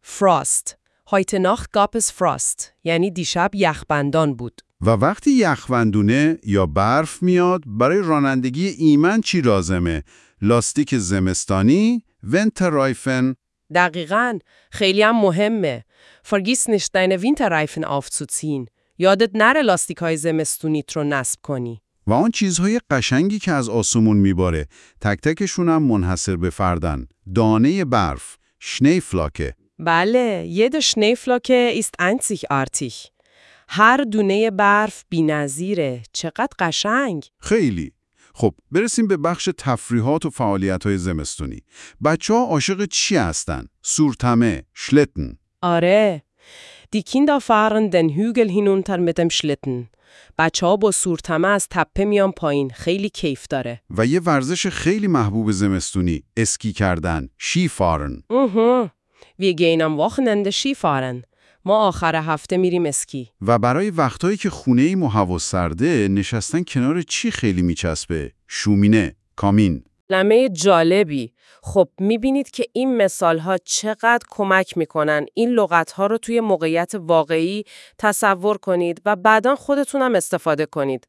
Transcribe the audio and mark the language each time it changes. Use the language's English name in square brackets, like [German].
[German] Frost. Heute Nacht gab es Frost, [Persian] یعنی دیشب یخبندان بود. و وقتی یخبندونه یا برف میاد، برای رانندگی ایمن چی لازمه؟ لاستیک زمستانی، Winterreifen. دقیقاً، خیلی هم مهمه. [German] Vergiss nicht deine Winterreifen aufzuziehen. [Persian] یادت نره لاستیک‌های زمستونیت رو نصب کنی. و اون چیزهای قشنگی که از آسمون میباره، تک تکشون هم منحصر به فردن. دانه برف، Schneeflocke. بله، [German] jede Schneeflocke ist einzigartig. [Persian] هر دونه برف بی‌نظیره. چقدر قشنگ. خیلی. خب، برسیم به بخش تفریحات و فعالیت‌های زمستونی. بچه‌ها عاشق چی هستن؟ سورتمه، Schlitten. آره. [German] Die Kinder fahren den Hügel hinunter mit dem Schlitten. [Persian] بچه‌ها با سورتمه از تپه میان پایین. خیلی کیف داره. و یه ورزش خیلی محبوب زمستونی، اسکی کردن، Skifahren. اوه. [German] Wir gehen am Wochenende Skifahren. [Persian] ما آخر هفته میریم اسکی. و برای وقتایی که خونه ایم و هوا سرده، نشستن کنار چی خیلی میچسبه؟ شومینه، کامین. لمه جالبی. خب میبینید که این مثالها چقدر کمک میکنن این لغتها رو توی موقعیت واقعی تصور کنید و بعدا خودتونم استفاده کنید.